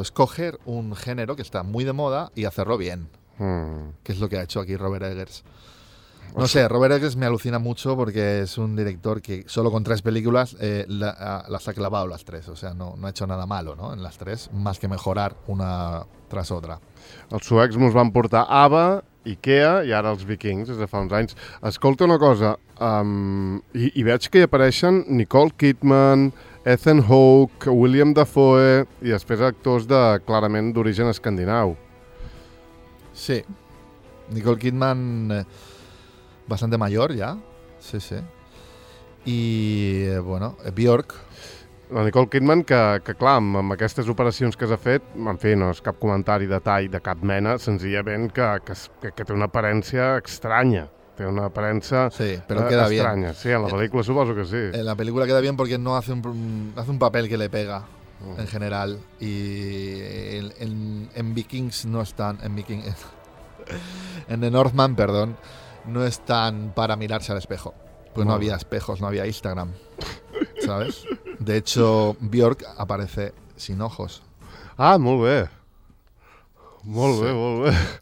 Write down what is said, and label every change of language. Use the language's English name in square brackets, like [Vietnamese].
[Spanish] Es coger un género que está muy de moda y hacerlo bien. Que es lo que ha hecho aquí Robert Eggers. No sé, Robert Eggers me alucina mucho porque es un director que solo con 3 películas las ha clavado las 3. O sea, no ha hecho nada malo, ¿no? En las 3, más que mejorar una tras otra. [Catalan] Els suecs ens van portar Ava, Ikea i ara els vikings, des de fa uns anys. Escolta una cosa, i veig que hi apareixen Nicole Kidman, Ethan Hawke, William Dafoe i després actors de clarament d'origen escandinau. [Spanish] Sí, Nicole Kidman bastante mayor ja, sí. [Catalan] I, bueno, Björk. La Nicole Kidman, que clar, amb aquestes operacions que s'ha fet, en fi, no és cap comentari de tall de cap mena, senzillament que té una aparència estranya. Té una aparença estranya. [Spanish] Bien. [Catalan] Sí, en la pel·lícula suposo que sí. [Spanish] En la pel·lícula queda bien [Catalan] perquè [Spanish] no hace un paper que le pega, en general. [Catalan] I en Vikings no estan... [Spanish] En The Northman, perdón, [Catalan] no estan [Spanish] para mirarse al espejo. Pues no había espejos, no había Instagram. ¿Sabes? De hecho, Björk aparece sin ojos. Ah, muy bien. Muy bien.